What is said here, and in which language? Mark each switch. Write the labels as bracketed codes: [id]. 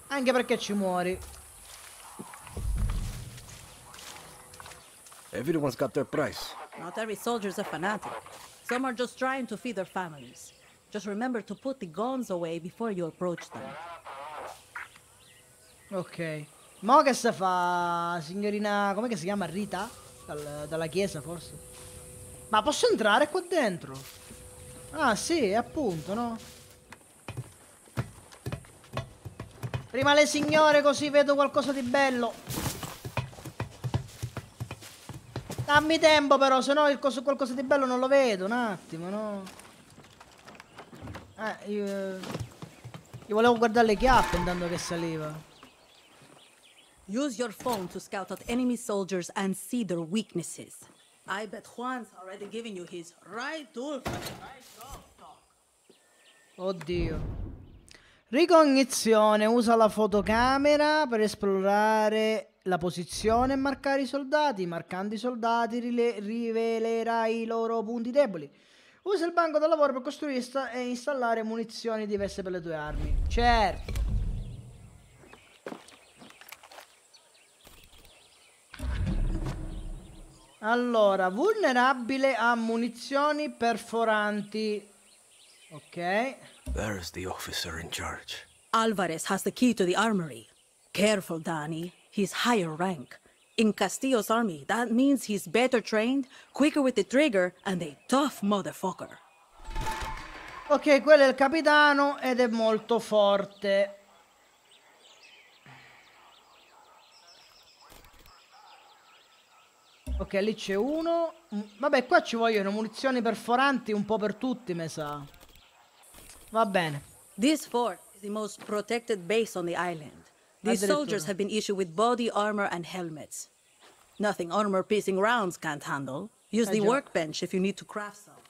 [it] Anche perché ci muori. [en] Everyone's got their price. Not every soldier's a fanatic. Some are just trying to feed their families. Just remember to put the guns away before you approach them. Ok. [it] Mo che se fa, signorina, come che si chiama? Rita? Dalla chiesa, forse. Ma posso entrare qua dentro? Ah, sì, appunto, no? Prima le signore, così vedo qualcosa di bello. Dammi tempo però, sennò il coso, qualcosa di bello non lo vedo, un attimo, no? Io volevo guardare le chiappe intanto che saliva. [en] Use your phone to scout out enemy soldiers and see their weaknesses. I bet Juan's already giving you his right tool. [it] Oddio. Ricognizione, usa la fotocamera per esplorare la posizione e marcare i soldati. Marcando i soldati rivelerai i loro punti deboli. Usa il banco da lavoro per costruire e installare munizioni diverse per le tue armi. Certo. Allora, vulnerabile a munizioni perforanti. Ok. [en] Where is the officer in charge? Alvarez has the key to the armory. Careful, Danny. He's higher rank. In Castillo's army, that means he's better trained, quicker with the trigger, and a tough motherfucker. [it] Ok, quello è il capitano ed è molto forte. Ok, lì c'è uno. Vabbè, qua ci vogliono munizioni perforanti un po' per tutti, me sa. Va bene. [en] This fort is the most protected base on the island. These soldiers have been issued with body armor and helmets. Nothing armor piercing rounds can't handle. Use the workbench if you need to craft some.